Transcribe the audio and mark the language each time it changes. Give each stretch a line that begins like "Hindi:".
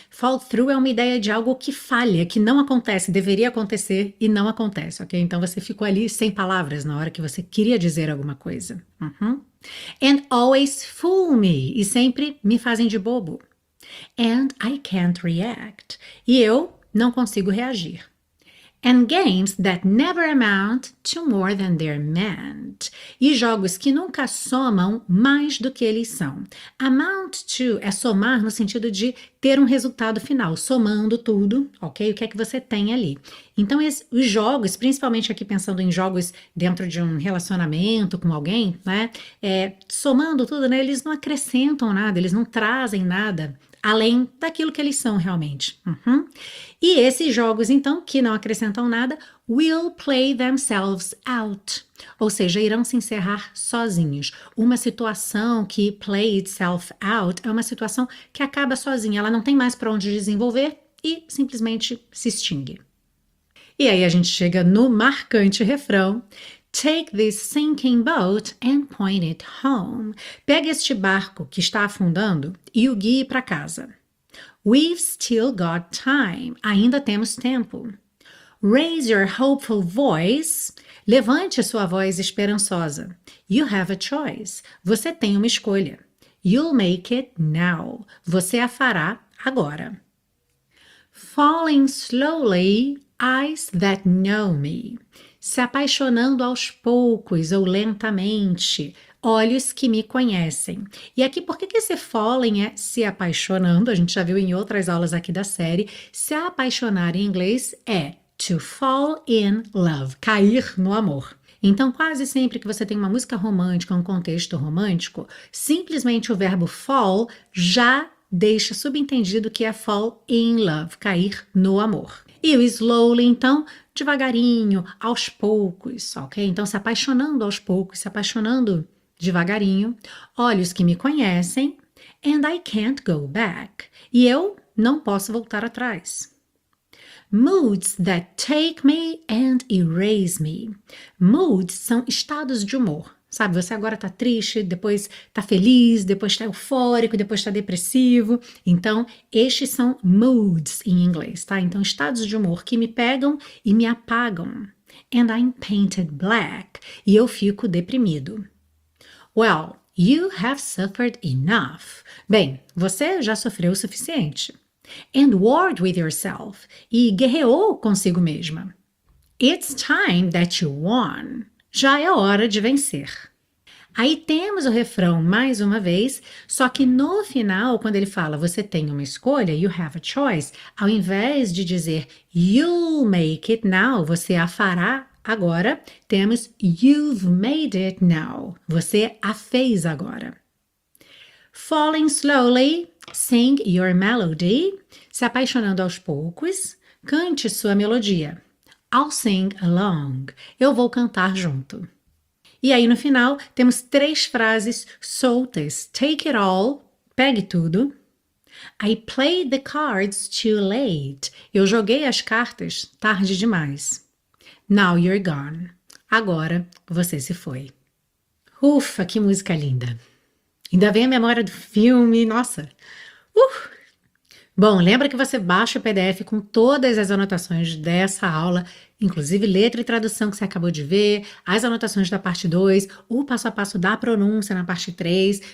Portuguese: Fall through é uma ideia de algo que falha, que não acontece, deveria acontecer e não acontece, ok? Então você ficou ali sem palavras na hora que você queria dizer alguma coisa.
English: And always fool me.
Portuguese: E sempre me fazem de bobo.
English: And I can't react.
Portuguese: E eu não consigo reagir.
English: And games that never amount to more than they're meant.
Portuguese: E jogos que nunca somam mais do que eles são. Amount to é somar no sentido de ter um resultado final, somando tudo, ok? O que é que você tem ali? Então, os jogos, principalmente aqui pensando em jogos dentro de um relacionamento com alguém, né? Somando tudo, né? Eles não acrescentam nada, eles não trazem nada além daquilo que eles são realmente. E esses jogos, então, que não acrescentam nada,
English: will play themselves out.
Portuguese: Ou seja, irão se encerrar sozinhos. Uma situação que
English: play itself out
Portuguese: é uma situação que acaba sozinha. Ela não tem mais para onde desenvolver e simplesmente se extingue. E aí a gente chega no marcante refrão.
English: Take this sinking boat and point it home.
Portuguese: Pegue este barco que está afundando e o guie para casa.
English: We've still got time.
Portuguese: Ainda temos tempo.
English: Raise your hopeful voice.
Portuguese: Levante a sua voz esperançosa.
English: You have a choice.
Portuguese: Você tem uma escolha.
English: You'll make it now.
Portuguese: Você a fará agora.
English: Falling slowly, eyes that know me.
Portuguese: Se apaixonando aos poucos ou lentamente, Olhos que me conhecem. E aqui, por que que esse falling é se apaixonando? A gente já viu em outras aulas aqui da série. Se apaixonar em inglês é
English: to fall in love,
Portuguese: cair no amor. Então, quase sempre que você tem uma música romântica, um contexto romântico, simplesmente o verbo fall já deixa subentendido que é fall in love, cair no amor. E o slowly, então, devagarinho, aos poucos, ok? Então, se apaixonando aos poucos, se apaixonando devagarinho, olhos que me conhecem,
English: and I can't go back.
Portuguese: E eu não posso voltar atrás.
English: Moods that take me and erase me.
Portuguese: Moods são estados de humor. Sabe, você agora tá triste, depois tá feliz, depois tá eufórico, depois tá depressivo. Então, estes são moods em inglês, tá? Então, estados de humor que me pegam e me apagam.
English: And I'm painted black.
Portuguese: E eu fico deprimido.
English: Well, you have suffered enough.
Portuguese: Bem, você já sofreu o suficiente.
English: And warred with yourself.
Portuguese: E guerreou consigo mesma.
English: It's time that you won.
Portuguese: Já é hora de vencer. Aí temos o refrão mais uma vez, só que no final, quando ele fala você tem uma escolha,
English: you have a choice,
Portuguese: ao invés de dizer
English: you'll make it now,
Portuguese: você a fará agora, temos
English: you've made it now,
Portuguese: você a fez agora.
English: Falling slowly, sing your melody,
Portuguese: se apaixonando aos poucos, cante sua melodia.
English: I'll sing along,
Portuguese: eu vou cantar junto. E aí, no final, temos três frases soltas. Take it all, pegue tudo.
English: I played the cards too late.
Portuguese: Eu joguei as cartas tarde demais.
English: Now you're gone.
Portuguese: Agora você se foi. Ufa, que música linda! Ainda vem a memória do filme, nossa! Bom, lembra que você baixa o PDF com todas as anotações dessa aula, inclusive letra e tradução que você acabou de ver, as anotações da parte 2, o passo a passo da pronúncia na parte 3.